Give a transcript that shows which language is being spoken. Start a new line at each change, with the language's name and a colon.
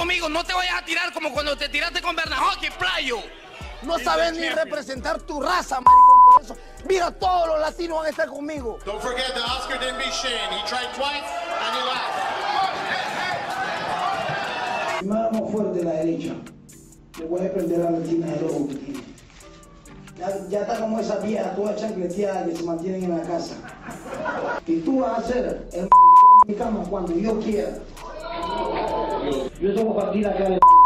Spanish: No te vayas a tirar como cuando te tiraste con Bernard Hopkins, playo. No sabes ni representar tu raza, maricón. Por eso, mira, todos los latinos van a estar conmigo.
English: Don't forget that Oscar didn't beat Shane. He tried twice and he lost.
Spanish: Mano fuerte a la derecha. Le voy a prender a la latina de rojo que tiene. Ya está como esa vieja, toda chancleteada que se mantienen en la casa. Y tú vas a hacer el maricón de mi cama cuando yo quiera. Yo tengo partida acá de...